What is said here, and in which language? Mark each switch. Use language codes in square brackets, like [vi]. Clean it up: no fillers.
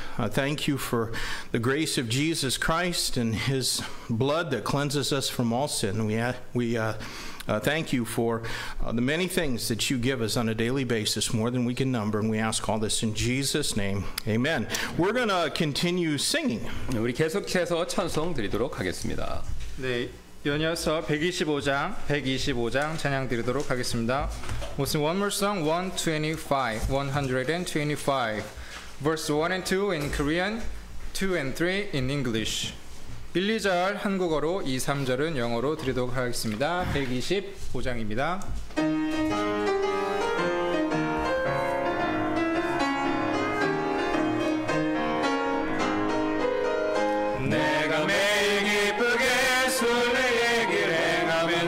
[en] Thank you for the grace of Jesus Christ and his blood that cleanses us from all sin. We thank you for the many things that you give us on a daily basis, more than we can number, and we ask all this in Jesus' name. Amen. We're going to continue singing. [ko] 우리 계속해서 찬송 드리도록 하겠습니다. 네, 연이어서 125장 찬양 드리도록 하겠습니다. [en] We'll sing one more song, 125. Verse 1 and 2 in Korean, 2 and 3 in English. [ko] 1, 2절 한국어로, 2, 3절은 영어로 드리도록 하겠습니다. 125장입니다. 내가 매일 기쁘게 술래 얘기를 해가